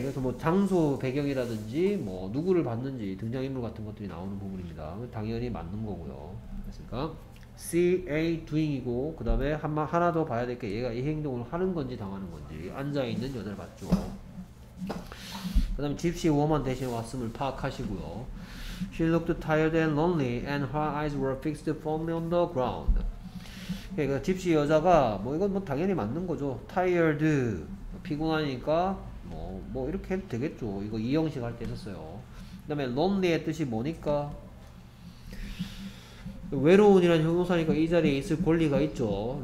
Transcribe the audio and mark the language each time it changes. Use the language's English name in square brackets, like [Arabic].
[Korean] 그래서 뭐 장소 배경이라든지 뭐 누구를 봤는지 등장인물 같은 것들이 나오는 부분입니다. 당연히 맞는 거고요. 됐습니까? CA doing이고 그 다음에 하나 더 봐야 될게 얘가 이 행동을 하는 건지 당하는 건지 앉아 있는 여자를 봤죠. 그 다음에 집시 워먼 대신 왔음을 파악하시고요. [English] She looked tired and lonely, and her eyes were fixed firmly on the ground. [Korean] 그러니까 집시 여자가 뭐 이건 뭐 당연히 맞는 거죠. Tired, 피곤하니까 뭐 이렇게 해도 되겠죠. 이거 2형식 할때 썼어요. 그다음에 lonely의 뜻이 뭐니까 외로운이라는 형용사니까 이 자리에 있을 권리가 있죠.